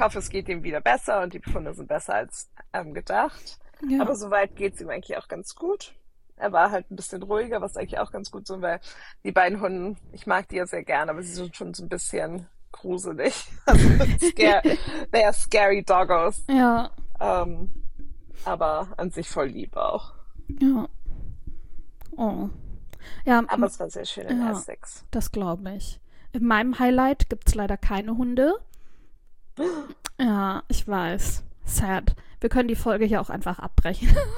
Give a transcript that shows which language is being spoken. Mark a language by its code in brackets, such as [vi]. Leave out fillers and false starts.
[de] hoffe, es geht ihm wieder besser und die Befunde sind besser als gedacht. Ja. Aber soweit geht's ihm eigentlich auch ganz gut. Er war halt ein bisschen ruhiger, was eigentlich auch ganz gut so, weil die beiden Hunde, ich mag die ja sehr gerne, aber sie sind schon so ein bisschen gruselig. [en] Also, they are scary doggos. [de] Ja. Aber an sich voll lieb auch. Ja. Oh. Ja, Aber es war sehr schön in Essex. das glaube ich. In meinem Highlight gibt es leider keine Hunde. Ja, ich weiß. [en] Sad. [de] Wir können die Folge hier auch einfach abbrechen.